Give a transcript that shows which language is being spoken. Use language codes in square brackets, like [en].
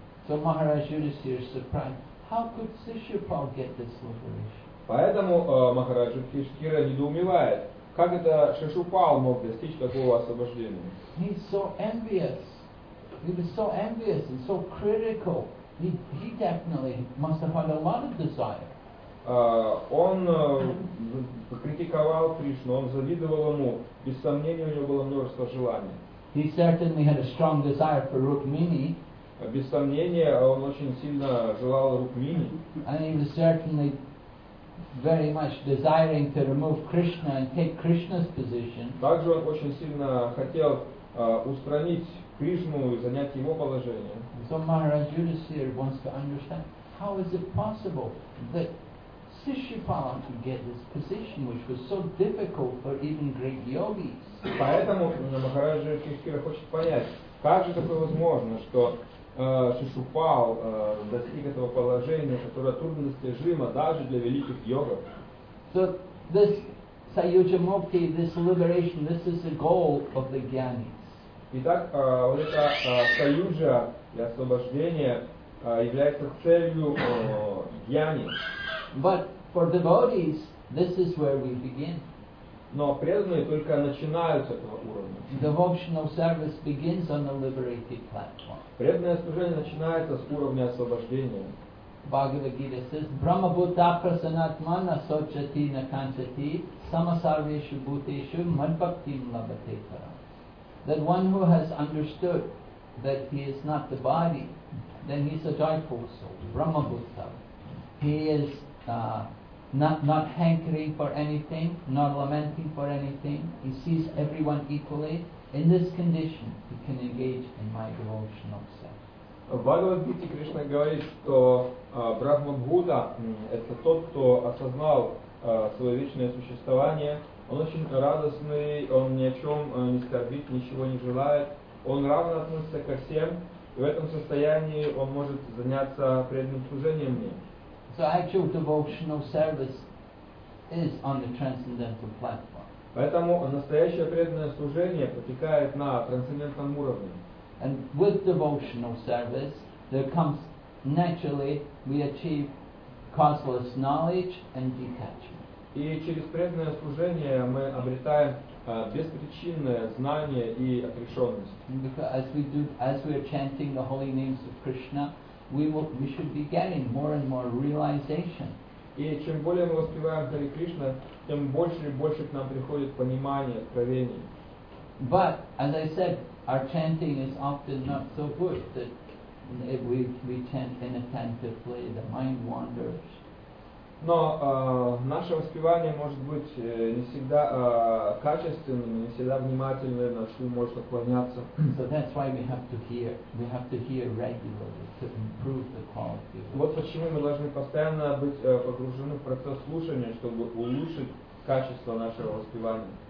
[en] So Maharaj Yudhisthira surprised, how could Sishupal get this liberation? [ru] Поэтому Махарадж Юдхиштхира недоумевает, как это Шишупал мог достичь такого освобождения. [en] He's so envious. He was so envious and so critical. He definitely must have had a lot of desire. [ru] Он критиковал Кришну, он завидовал ему, без сомнения у него было множество желаний. [en] He certainly had a strong desire for Rukmini. [ru] Без сомнения, он очень сильно желал Рукмини. [en] And he was certainly very much desiring to remove Krishna and take Krishna's position. [ru] Также он очень сильно хотел устранить Кришну и занять его положение. [en] So Maharaj Yudhisthira wants to understand, how is it possible that Sishupal to get this position, which was so difficult for even great yogis. [ru] Поэтому Махараджа Кришкира хочет понять, как же такое возможно, что Шишупал достиг этого положения, которое труднодостижимо даже для великих йогов. [en] So this Sayuja Mukti, this liberation, this is the goal of the gyanis. [ru] Итак, вот это Sayuja и освобождение является целью гьяни. [en] But for devotees, this is where we begin. [ru] Но преданные только начинают с этого уровня. [en] Devotional service begins on the liberated platform. [ru] Преданное служение начинается с уровня освобождения. [sa] Бхагавад-гита says, Brahma Bhuta Prasanatmana Sochati Nakanchati Samasarveshu Bhuteshu Madbhaktim Labhate Param. [en] that one who has understood that he is not the body, then he is a joyful soul, Brahma Buddha. He is not hankering for anything, not lamenting for anything. He sees everyone equally. In this condition, he can engage in my devotional self. [ru] В Бхагавад-гите Кришна говорит, что Брахма-Будда – это тот, кто осознал свое вечное существование. Он очень радостный, он ни о чем не скорбит, ничего не желает. Он равно относится ко всем, и в этом состоянии он может заняться преданным служением мне. [en] So actual devotional service is on the transcendental platform. [ru] Поэтому настоящее преданное служение протекает на трансцендентном уровне. [en] And with devotional service, there comes naturally we achieve causeless knowledge and detachment. [ru] И через преданное служение мы обретаем беспричинное знание и отрешенность. [en] As we are chanting the holy names of Krishna, we should be getting more and more realization. [ru] И чем более мы воспеваем Хари Кришна, тем больше и больше к нам приходит понимание, откровение. [en] But as I said, our chanting is often not so good that if we chant inattentively, the mind wanders. [ru] Но наше воспевание может быть не всегда качественным, не всегда внимательным, на что может отклоняться. [en] So that's why we have to hear. We have to hear regularly to improve the quality. [ru] Вот почему мы должны постоянно быть погружены в процесс слушания, чтобы улучшить качество нашего воспевания.